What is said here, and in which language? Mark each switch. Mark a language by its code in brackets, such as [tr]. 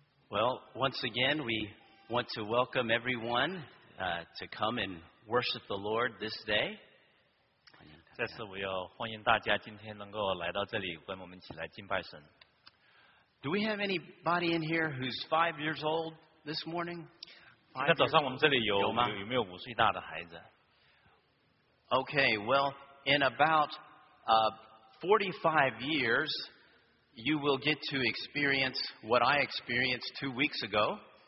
[en] Well, once again, we want to welcome everyone to come and worship the Lord this day. [zh] 再次我要欢迎大家今天能够来到这里，跟我们一起来敬拜神。 [en] Do we have anybody in here who's 5 years old this morning? [zh] 今天早上我们这里有没有五岁大的孩子？ [en] Okay, well, in about 45 years, you will get to experience what I experienced 2 weeks ago.